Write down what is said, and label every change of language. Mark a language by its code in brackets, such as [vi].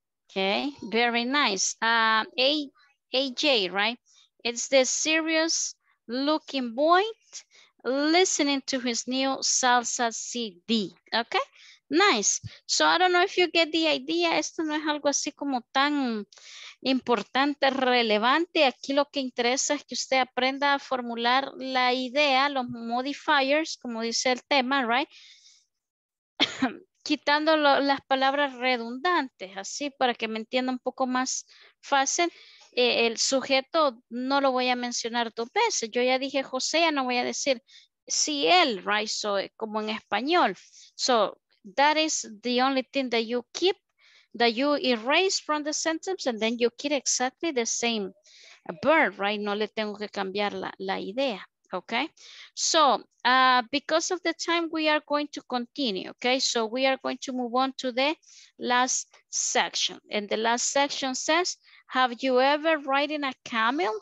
[en] Okay, very nice. A AJ, right? It's the serious looking boy listening to his new salsa CD, okay? Nice. So I don't know if you get the idea. [es] Esto no es algo así como tan importante, relevante. Aquí lo que interesa es que usted aprenda a formular la idea, los modifiers, como dice el tema, right? Quitando las palabras redundantes, así para que me entienda un poco más fácil. El sujeto no lo voy a mencionar dos veces. Yo ya dije José, ya no voy a decir si él, right? So, como en español. [en] So, that is the only thing that you keep, that you erase from the sentence, and then you keep exactly the same verb, right? [es] No le tengo que cambiar la idea, okay? [en] So, because of the time, we are going to continue, okay? So, we are going to move on to the last section. And the last section says, have you ever ridden a camel?